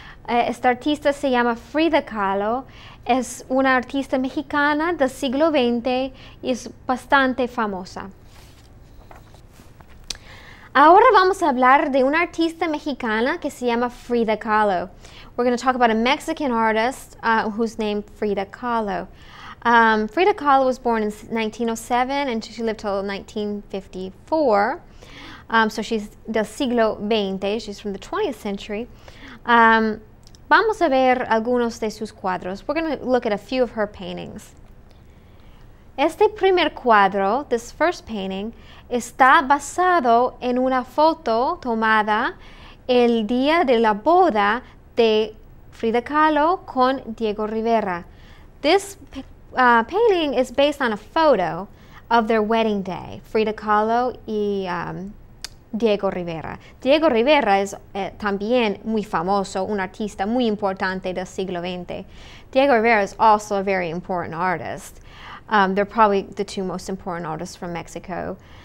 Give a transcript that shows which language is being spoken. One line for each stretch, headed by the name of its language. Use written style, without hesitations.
Spanish: Esta artista se llama Frida Kahlo. Es una artista mexicana del siglo XX y es bastante famosa. Ahora vamos a hablar de una artista mexicana que se llama Frida Kahlo.
English: We're going to talk about a Mexican artist who's named Frida Kahlo. Frida Kahlo was born in 1907 and she lived till 1954. So she's
Spanish: del siglo XX,
English: she's from the 20th century.
Spanish: Vamos a ver algunos de sus cuadros.
English: We're going to look at a few of her paintings.
Spanish: Este primer cuadro,
English: this first painting,
Spanish: está basado en una foto tomada el día de la boda de Frida Kahlo con Diego Rivera.
English: This painting is based on a photo of their wedding day, Frida Kahlo y Diego Rivera.
Spanish: Diego Rivera es también muy famoso, un artista muy importante del siglo XX.
English: Diego Rivera is also a very important artist. They're probably the two most important artists from Mexico.